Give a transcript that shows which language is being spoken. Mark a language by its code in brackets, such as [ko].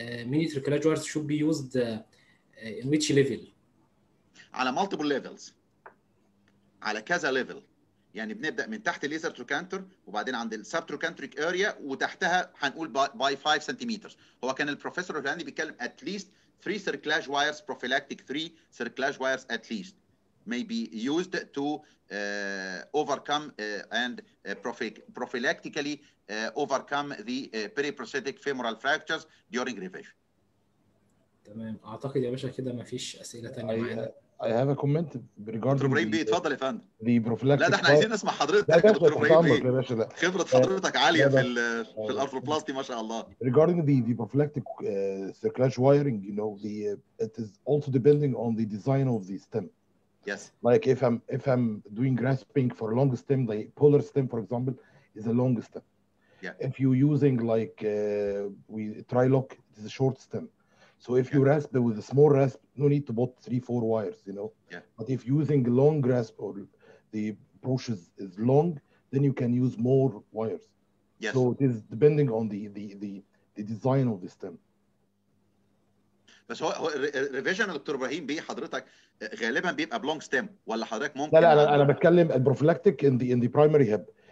[en] Many circulage wires should be used in which level? [ar] على [en] multiple levels. [ar] على كذا level. يعني بنبدأ من تحت الليزر تروكانتر وبعدين عند السب تروكانتريك اريا وتحتها هنقول باي 5 سنتيمتر. هو كان البروفيسور الهولندي بيتكلم [en] at least 3 cerclage wires prophylactic 3 cerclage wires at least may be used to overcome and prophylactically overcome the periprosthetic femoral fractures during revision. [ar] تمام اعتقد يا باشا كده مفيش اسئله ثانيه. [en] I have a comment regarding Dr. Brady, [ar] اتفضل يا فندم. [en] The prophylactic. [ar] لا ده احنا عايزين نسمع حضرتك دكتور Brady. خبرة حضرتك عالية في الأرثروبلاستي ما شاء الله. [en] Regarding the prophylactic circulage wiring, you know, the it is also depending on the design of the stem. Yes. Like if I'm doing grasping for a long stem, the polar stem, for example, is a long stem. Yeah. If you're using like tri-lock, it is a short stem. So if you rasp with a small rasp, no need to put 3-4 wires, you know. Yeah. But if using long rasp or the brush is long, then you can use more wires. Yes. So it is depending on the design of the stem. [ar] بس هو الريفيجن دكتور ابراهيم بيه حضرتك غالبا بيبقى بلونج ستيم ولا حضرتك ممكن لا لا انا بتكلم البروفلاكتيك ان دي برايمري هيب